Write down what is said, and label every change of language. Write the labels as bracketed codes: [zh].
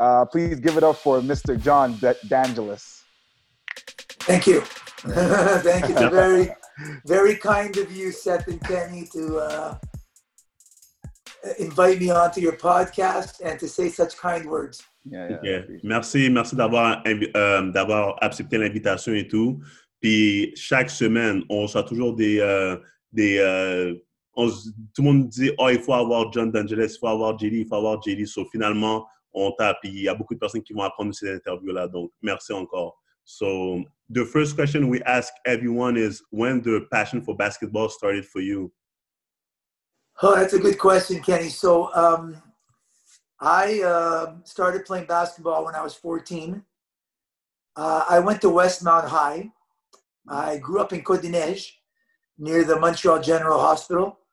[en] Please give it up for Mr. John DeAngelis. Thank you. Thank you. Very, very kind of you, Seth and Kenny, to invite me onto your podcast and to say such kind words. Yeah. [fr] Merci d'avoir d'avoir accepté l'invitation et tout. Puis chaque semaine, on reçoit toujours tout le monde dit, oh, il faut avoir John DeAngelis, il faut avoir Jelly. So finalement, on tape. Il y a beaucoup de personnes qui vont apprendre ces interviews là. Donc merci encore. [en] So the first question we ask everyone is, when the passion for basketball started for you? Oh, that's a good question, Kenny. So I started playing basketball when I was 14. I went to Westmount High. I grew up in Côte des Neiges near the Montreal General Hospital.